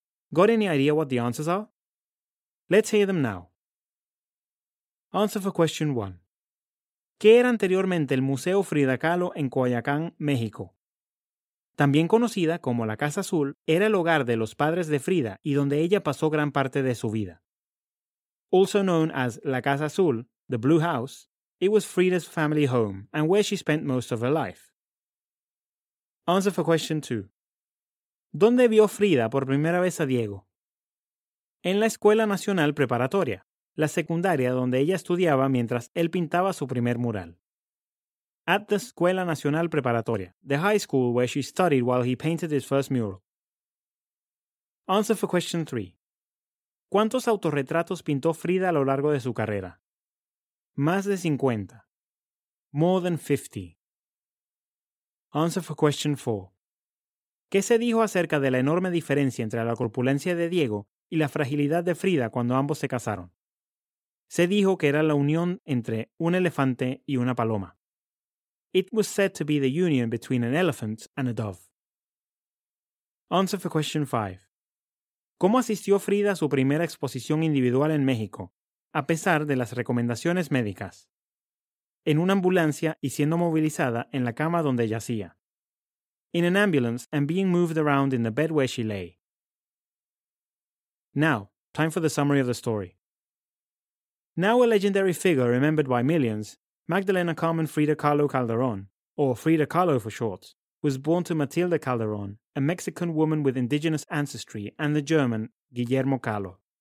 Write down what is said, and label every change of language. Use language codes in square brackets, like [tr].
[en] Got any idea what the answers are? Let's hear them now. Answer for question 1. [es] ¿Qué era anteriormente el Museo Frida Kahlo en Coyoacán, México? También conocida como la Casa Azul, era el hogar de los padres de Frida y donde ella pasó gran parte de su vida. [en] Also known as la Casa Azul, the Blue House, it was Frida's family home and where she spent most of her life. Answer for question 2. [es] ¿Dónde vio Frida por primera vez a Diego? En la Escuela Nacional Preparatoria, la secundaria donde ella estudiaba mientras él pintaba su primer mural. [en] At the Escuela Nacional Preparatoria, the high school where she studied while he painted his first mural. Answer for question 3. [es] ¿Cuántos autorretratos pintó Frida a lo largo de su carrera? Más de 50. [en] More than 50. Answer for question 4. [es] ¿Qué se dijo acerca de la enorme diferencia entre la corpulencia de Diego y la fragilidad de Frida cuando ambos se casaron? Se dijo que era la unión entre un elefante y una paloma. [en] It was said to be the union between an elephant and a dove. Answer for question 5. [es] ¿Cómo asistió Frida a su primera exposición individual en México, a pesar de las recomendaciones médicas? En una ambulancia y siendo movilizada en la cama donde yacía. [en] In an ambulance and being moved around in the bed where she lay. Now, time for the summary of the story. Now a legendary figure remembered by millions, Magdalena Carmen Frida Kahlo Calderón, or Frida Kahlo for short, was born to Matilde Calderón, a Mexican woman with indigenous ancestry, and the German Guillermo Calo.